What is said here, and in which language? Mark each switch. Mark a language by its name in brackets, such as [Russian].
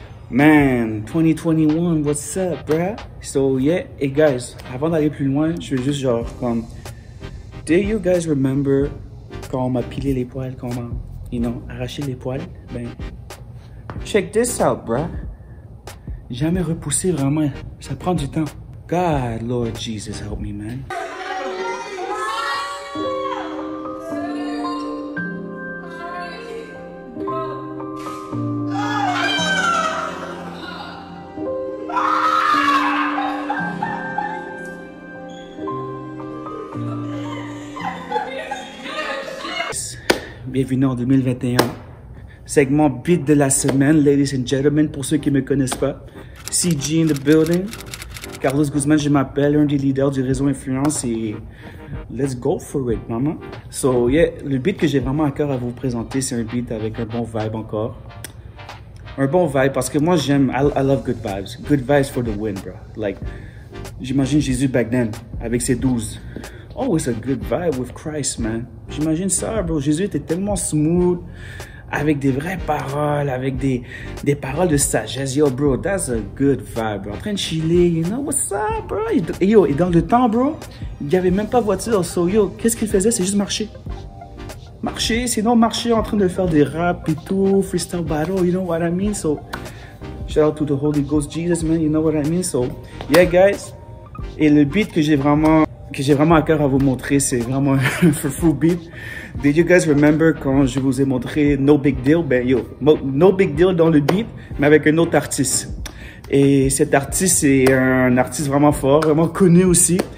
[English] Man, 2021, what's up, bruh? So, yeah, hey guys, [French] avant d'aller plus loin, je veux juste genre comme, [English] do you guys remember [French] quand on m'a pilé les poils, quand on m'a, [English] you know, [French] arraché les poils? Ben, [English] check this out, bruh. [French] Jamais repoussé vraiment. Ça prend du temps. [English] God, Lord Jesus, help me, man. [French] Bienvenue en 2021. Segment beat de la semaine, [English] ladies and gentlemen, [French] pour ceux qui ne me connaissent pas. [English] CG in the building. [French] Carlos Guzman, je m'appelle, un des leaders du réseau Influence et [English] let's go for it, [French] maman. So, yeah, le beat que j'ai vraiment à cœur à vous présenter, c'est un beat avec un bon vibe encore. Un bon vibe parce que moi, j'aime, [English] I love good vibes. Good vibes for the win, bro. [French] Like, j'imagine Jésus [English] back then [French] avec ses 12. [English] Oh, it's a good vibe with Christ, man. [French] J'imagine ça, bro. Jésus était tellement smooth. Avec des vraies paroles, avec des paroles de sagesse. [English] Yo, bro, that's a good vibe, bro. [French] En train de chiller, [English] you know, what's up, bro? [French] Et yo, et dans le temps, bro, il n'y avait même pas voiture. So, yo, qu'est-ce qu'il faisait? C'est juste marcher. Marcher, sinon marcher en train de faire des rap et tout, [English] freestyle battle, you know what I mean? So, shout out to the Holy Ghost Jesus, man, you know what I mean? So, yeah, guys. [French] Et le beat que j'ai vraiment à cœur à vous montrer, c'est vraiment un fou beat. [English] Did you guys remember [French] quand je vous ai montré No Big Deal? Ben yo, No Big Deal dans le beat, mais avec un autre artiste. Et cet artiste, c'est un artiste vraiment fort, vraiment connu aussi.